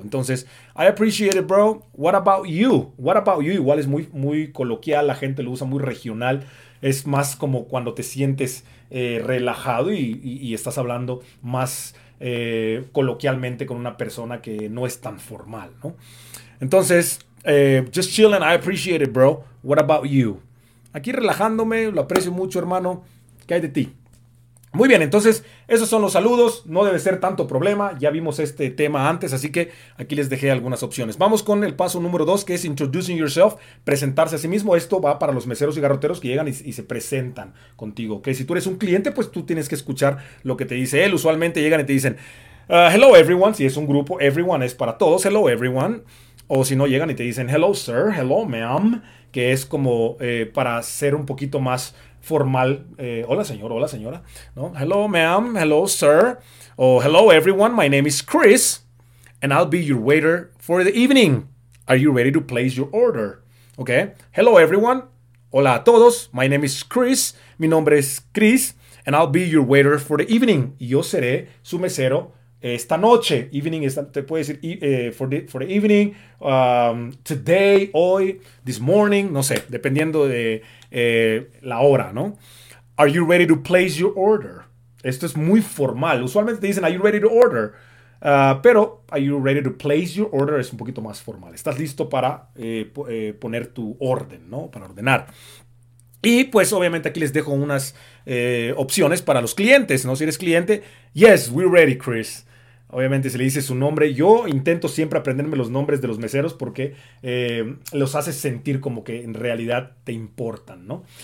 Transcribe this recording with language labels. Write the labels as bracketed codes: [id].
[es] Entonces, [en] I appreciate it, bro. What about you? What about you? [es] Igual es muy, muy coloquial. La gente lo usa muy regional. Es más como cuando te sientes relajado y estás hablando más coloquialmente con una persona que no es tan formal, ¿no? Entonces, [en] just chilling. I appreciate it, bro. What about you? [es] Aquí relajándome. Lo aprecio mucho, hermano. ¿Qué hay de ti? Muy bien, entonces esos son los saludos, no debe ser tanto problema, ya vimos este tema antes, así que aquí les dejé algunas opciones. Vamos con el paso número 2, que es [en] introducing yourself, [es] presentarse a sí mismo. Esto va para los meseros y garroteros que llegan y se presentan contigo, ¿okay? Si tú eres un cliente, pues tú tienes que escuchar lo que te dice él. Usualmente llegan y te dicen, [en] hello everyone, [es] si es un grupo, everyone es para todos, hello everyone. O si no, llegan y te dicen, [en] hello sir, hello ma'am, [es] que es como para ser un poquito más formal. Hola, señor. Hola, señora. ¿No? [en] Hello, ma'am. Hello, sir. [es] O [en] hello, everyone. My name is Chris. And I'll be your waiter for the evening. Are you ready to place your order? Okay. Hello, everyone. [es] Hola a todos. [en] My name is Chris. [es] Mi nombre es Chris. [en] And I'll be your waiter for the evening. [es] Y yo seré su mesero esta noche. Evening, te puede decir [en] for the evening, today, [es] hoy, [en] this morning, [es] no sé, dependiendo de la hora, ¿no? [en] Are you ready to place your order? [es] Esto es muy formal. Usualmente te dicen, [en] are you ready to order? [es] Pero, [en] are you ready to place your order? [es] Es un poquito más formal. ¿Estás listo para poner tu orden, ¿no? Para ordenar. Y pues obviamente aquí les dejo unas opciones para los clientes, ¿no? Si eres cliente, [en] yes, we're ready, [es] Chris. Obviamente se le dice su nombre. Yo intento siempre aprenderme los nombres de los meseros porque los hace sentir como que en realidad te importan, ¿no?